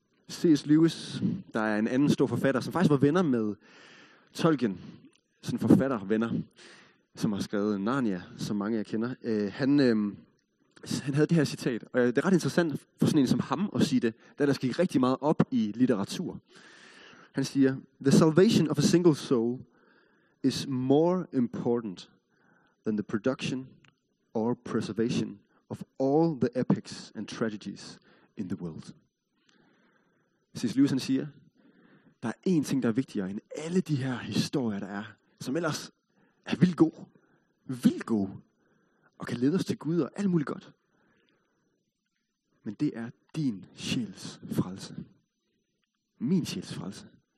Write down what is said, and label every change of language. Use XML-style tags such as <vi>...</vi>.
<da>C.S. Lewis, der er en anden stor forfatter, som faktisk var venner med Tolkien, sådan forfatter og venner, som har skrevet Narnia, som mange af jer kender, han havde det her citat, og det er ret interessant for sådan en som ham at sige det, da der gik rigtig meget op i litteratur. Han siger,</da> <en>"The salvation of a single soul is more important than the production or preservation of all the epics and tragedies in the world."</en> <da>C.S. Lewis, han siger, der er én ting, der er vigtigere end alle de her historier, der er, som ellers er vildt god, vildt god, og kan lede os til Gud og alt muligt godt. Men det er din sjæls frelse. Min sjæls frelse.</da>